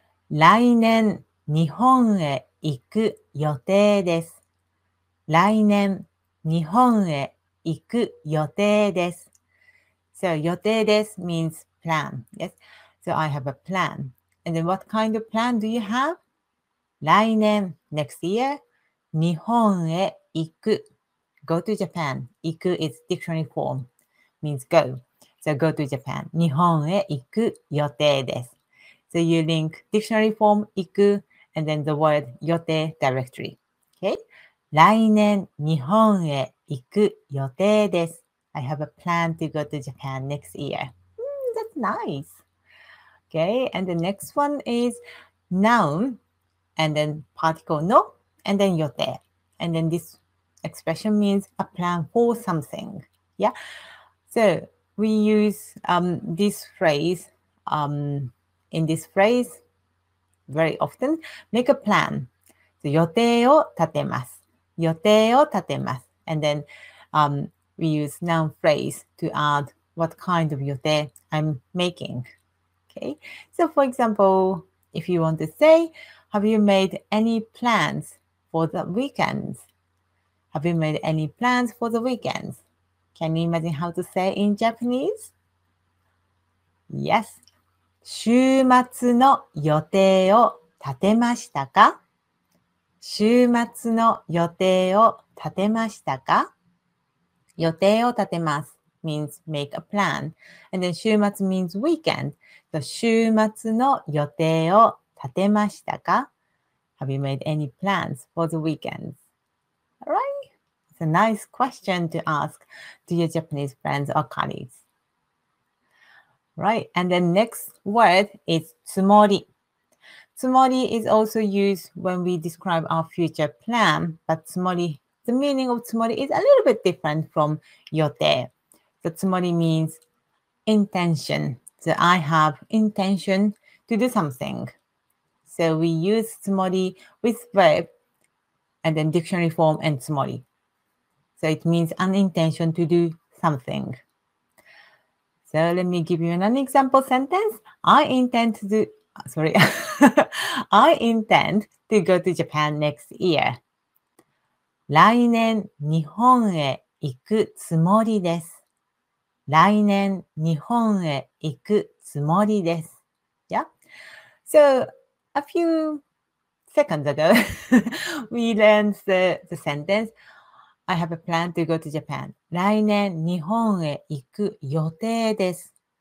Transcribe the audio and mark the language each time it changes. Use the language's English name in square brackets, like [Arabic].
[Japanese] 来年日本へ行く予定です。来年日本へ行く予定です。 [English] So 予定です means plan. Yes. So I have a plan. And then what kind of plan do you have? 来年, next year, [Japanese] 日本へ行く. [English] Go to Japan. 行く is dictionary form. Means go. So go to Japan. [Japanese] 日本へ行く予定です. [English] So you link dictionary form 行く and then the word 予定 directory. Okay? [Japanese] 来年日本へ行く予定です. [English] I have a plan to go to Japan next year. That's nice. Okay, and the next one is noun, and then particle no, and then 予定. And then this expression means a plan for something. Yeah, so we use this phrase, in this phrase very often, make a plan. [Japanese] So 予定を立てます.予定を立てます. [English] And then we use noun phrase to add what kind of 予定 I'm making. Okay, so for example, if you want to say, have you made any plans for the weekends? Have you made any plans for the weekends? Can you imagine how to say in Japanese? Yes. [Japanese] 週末の予定を立てましたか? 週末の予定を立てましたか? 予定を立てます。 [English] Means make a plan. And then 週末 means weekend. So [Japanese] 週末の予定を立てましたか? [English] Have you made any plans for the weekend? All right. It's a nice question to ask to your Japanese friends or colleagues. Right. And then next word is つもり.つもり is also used when we describe our future plan. But つもり, the meaning of つもり is a little bit different from 予定. So, つもり means intention. So, I have intention to do something. So, we use つもり with verb and then dictionary form and つもり. So, it means an intention to do something. So, let me give you an example sentence. I intend to go to Japan next year. [Japanese] 来年日本へ行くつもりです。来年日本へ行くつもりです。 [English] Yeah. So a few seconds ago, we learned the sentence. I have a plan to go to Japan. [Japanese] 来年日本へ行く予定です。